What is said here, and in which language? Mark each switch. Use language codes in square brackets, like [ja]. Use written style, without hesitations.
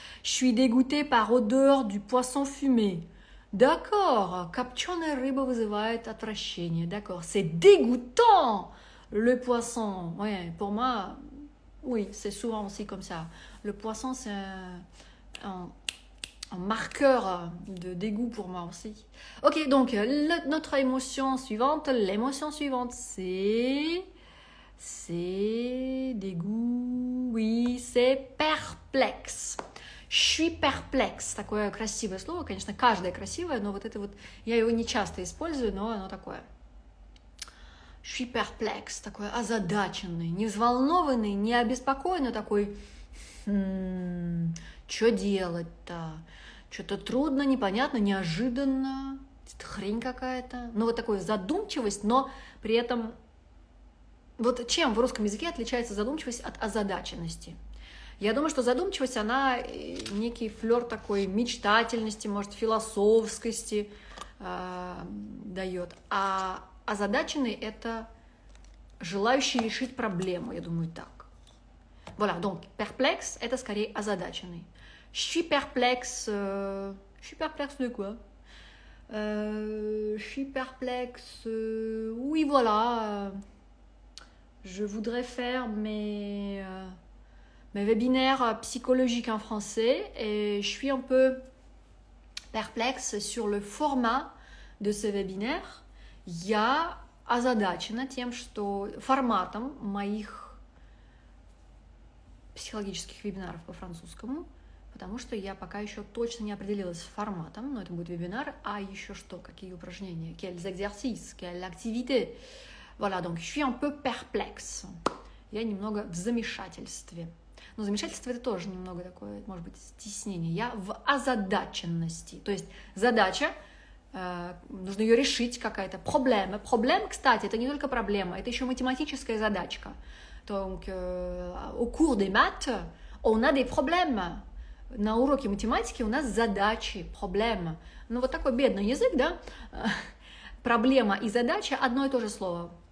[fr] Je suis dégoûté par odeur du poisson fumé. D'accord, [ru] копченая рыба вызывает отвращение, [fr] d'accord. C'est dégoûtant, le poisson. Oui, pour moi, oui, c'est souvent aussi comme ça. Le poisson, c'est un marqueur de dégoût pour moi aussi. Ok, donc notre émotion suivante, l'émotion suivante, c'est dégoût, oui, c'est perplexe. Je suis perplexe. [ru] Такое красивое слово, конечно, каждое красивое, но вот это вот, я его не часто использую, но оно такое. [fr] Je suis perplexe, [ru] такой озадаченный, не взволнованный, не обеспокоенный, такой, что делать-то? Что-то трудно, непонятно, неожиданно, хрень какая-то. Ну, вот такая задумчивость, но при этом... Вот чем в русском языке отличается задумчивость от озадаченности? Я думаю, что задумчивость, она некий флёр такой мечтательности, может, философскости даёт. А озадаченный — это желающий решить проблему, я думаю, так. [fr] Voilà, donc, [ru] perplexe — это скорее озадаченный. [fr] Je suis perplexe de quoi? Je suis perplexe. Oui, voilà. Je voudrais faire mes webinaires psychologiques en français et je suis un peu perplexe sur le format de ce webinaire. [ru] Я озадачена тем, что форматом моих психологических вебинаров по французскому. Потому что я пока еще точно не определилась с форматом, но это будет вебинар, а еще что, какие упражнения, [fr] quels exercices, quelle activité. Voilà, donc je suis un peu perplexe. [ru] Я немного в замешательстве. Но замешательство — это тоже немного такое, может быть, стеснение. Я в озадаченности. То есть задача, нужно ее решить, какая-то проблема. Проблема, кстати, это не только проблема, это еще математическая задачка. [fr] Donc, au cours des maths, on a des problèmes. [ru] На уроке математики у нас задачи, проблема. Ну, вот такой бедный язык, да? Проблема и задача — одно и то же слово.